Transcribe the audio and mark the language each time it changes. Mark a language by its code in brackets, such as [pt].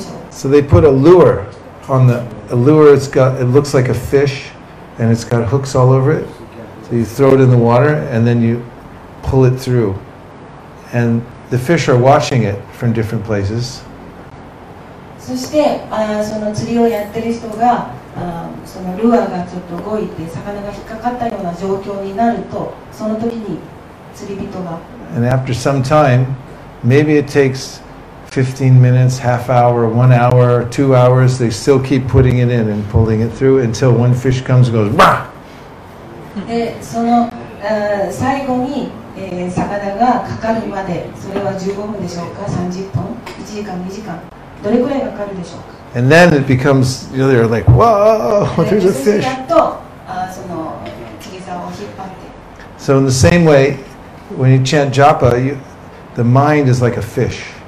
[en] So they put a lure on the lure. It's got it looks like a fish, and it's got hooks all over it. So you throw it in the water, and then you pull it through. And the fish are watching it from different places. [ja] そして、その釣りをやってる人が、そのルアーがちょっと動いて、魚が引っかかったような状況になると、その時に釣り人が。 [en] And after some time. Maybe it takes 15 minutes, half hour, 1 hour, 2 hours. They still keep putting it in and pulling it through until one fish comes and goes, bah! [ja] で、その、最後に、魚がかかるまで、それは15分でしょうか、30分、1時間、2時間、どれくらいかかるでしょうか。 [en] And then it becomes, you know, they're like, whoa, there's a fish. [ja] やっと、その、釣り竿を引っ張って。 [en] So in the same way, when you chant japa, you,The mind is like a fish.